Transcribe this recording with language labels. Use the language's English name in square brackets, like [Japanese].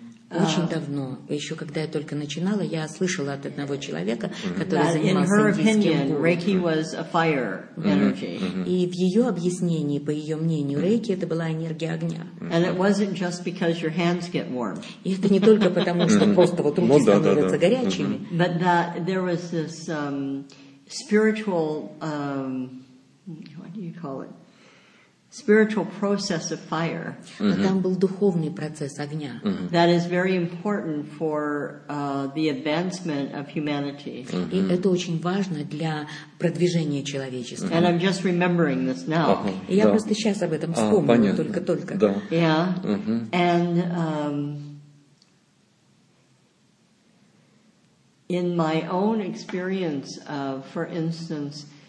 [Russian] Очень давно, еще когда я только начинала, я слышала от одного человека, который занимался индийским гуру. [English] Reiki was a fire energy. [Russian] И в ее объяснении, по ее мнению, Reiki это была энергия огня. [English] And it wasn't just because your hands get warm. [Russian] И это не только потому, что просто вот руки становятся горячими. [English] But that there was this spiritual, what do you call it? Spiritual process of fire. [Russian] Но там был духовный процесс огня. [English] That is very important for the advancement of humanity. [Russian] И это очень важно для продвижения человечества. [English] And I'm just remembering this now. [Russian] И я просто сейчас об этом вспомнила, только-только. Да. [English] Yeah. And in my own experience of, for instance,